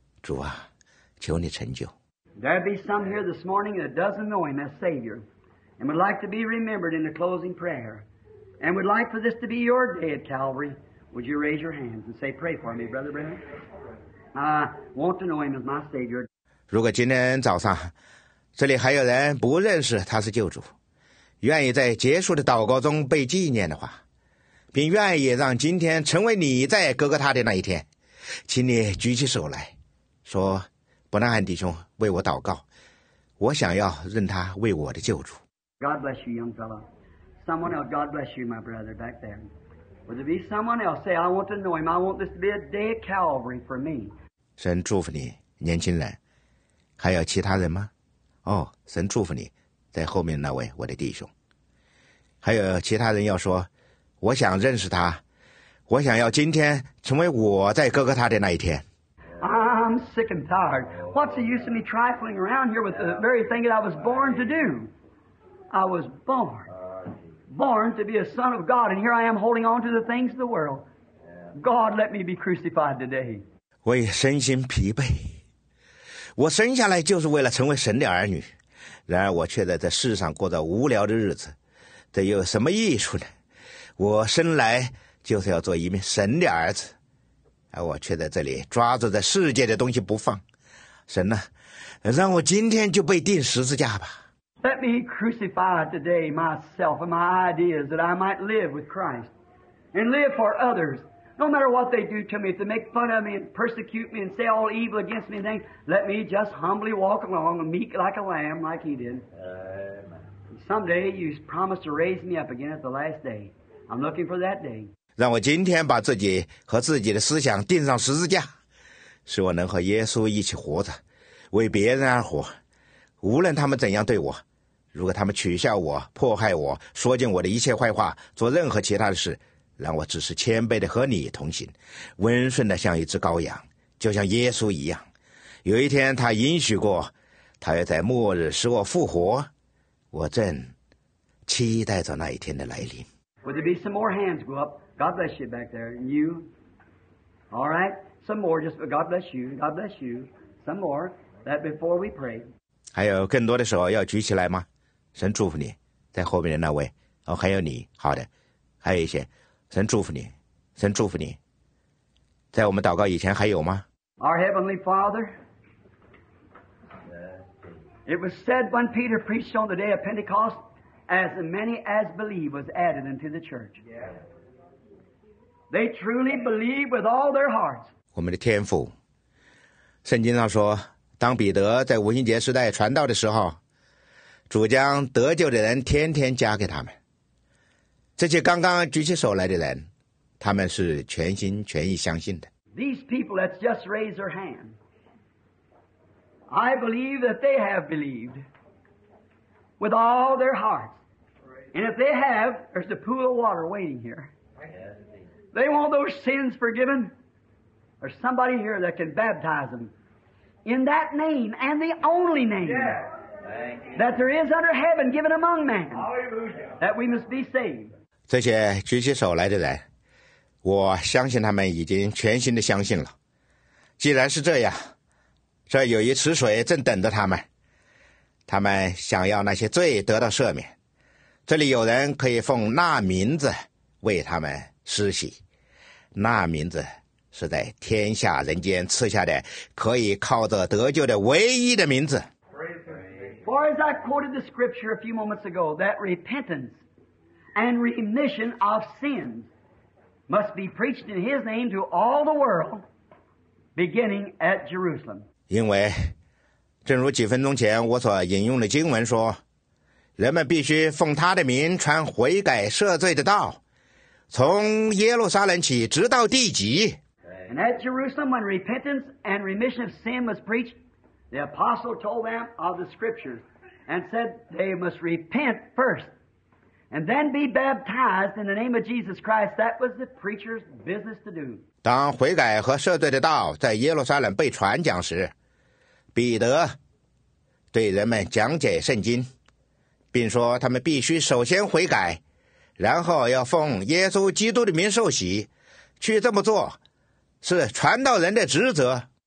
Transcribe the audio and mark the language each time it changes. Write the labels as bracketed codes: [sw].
[zh] 主啊，求你成就。 [en] There be some here this morning that doesn't know him as Savior and would like to be remembered in the closing prayer and would like for this to be your day at CalvaryWould you raise your hands and say, pray for me, Brother Brennan? I want to know him as my Savior. [zh] 如果今天早上这里还有人不认识他是救主，愿意在结束的祷告中被纪念的话，并愿意让今天成为你在哥哥他的那一天，请你举起手来说，伯纳汉弟兄为我祷告，我想要认他为我的救主。 [en] God bless you, young fellow. Someone else, God bless you, my brother, back there. Would there be someone else say, I want to know him. I want this to be a day at Calvary for me. [zh] 神祝福你，年轻人。还有其他人吗？哦，神祝福你，在后面那位，我的弟兄。还有其他人要说，我想认识他，我想要今天成为我在哥哥他的那一天。 [en] I'm sick and tired. What's the use of me trifling around here with the very thing that I was born to do? I was born to be a son of God, and here I am holding on to the things of the world. God, let me be crucified today. [zh] 我也身心疲惫，我生下来就是为了成为神的儿女，然而我却在这世上过着无聊的日子，这又有什么益处呢？我生来就是要做一名神的儿子，而我却在这里抓着这世界的东西不放。神呐、啊，让我今天就被钉十字架吧。 [en] Let me crucify today myself and my ideas that I might live with Christ and live for others. No matter what they do to me, if they make fun of me and persecute me and say all evil against me, then let me just humbly walk along meek like a lamb like he did. Amen. Someday you promise to raise me up again at the last day. I'm looking for that day. [zh] 让我今天把自己和自己的思想钉上十字架，使我能和耶稣一起活着，为别人而活。无论他们怎样对我，如果他们取笑我、迫害我、说尽我的一切坏话、做任何其他的事，让我只是谦卑地和你同行，温顺地像一只羔羊，就像耶稣一样。有一天他应许过，他要在末日使我复活，我正期待着那一天的来临。 [en] Would there be some more hands go up? God bless you back there. And you? All right. Some more. Just God bless you. God bless you. Some more. That before we pray. [zh] 还有更多的手要举起来吗？神祝福你，在后面的那位。哦，还有你。好的。还有一些。神祝福你，神祝福你。在我们祷告以前还有吗？ [en] Our Heavenly Father, it was said when Peter preached on the day of Pentecost, as many as believe was added into the church. They truly believe with all their hearts. [zh] 我们的天父，圣经上说，当彼得在五旬节时代传道的时候，主将得救的人天天加给他们。这些刚刚举起手来的人，他们是全心全意相信的。 [en] These people that just raised their hand, I believe that they have believed with all their hearts. And if they have, there's a pool of water waiting here. They want those sins forgiven. There's somebody here that can baptize them in that name and the only name that there is under heaven given among man that we must be saved. [zh] 这些举起手来的人，我相信他们已经全心的相信了。既然是这样，这有一池水正等着他们，他们想要那些罪得到赦免。这里有人可以奉那名字为他们施洗，那名字是在天下人间赐下的可以靠着得救的唯一的名字。 [en] For as I quoted the scripture a few moments ago, that repentance and remission of sins must be preached in his name to all the world, beginning at Jerusalem. [zh] 因为正如几分钟前我所引用的经文说，人们必须奉他的名传悔改赦罪的道，从耶路撒冷起直到地极。 [en] And at Jerusalem, when repentance and remission of sin was preached, the apostle told them of the scriptures and said they must repent first and then be baptized in the name of Jesus Christ. That was the preacher's business to do. [zh] 当悔改和赦罪的道在耶路撒冷被传讲时，彼得对人们讲解圣经，并说他们必须首先悔改，然后要奉耶稣基督的名受洗。去这么做是传道人的职责。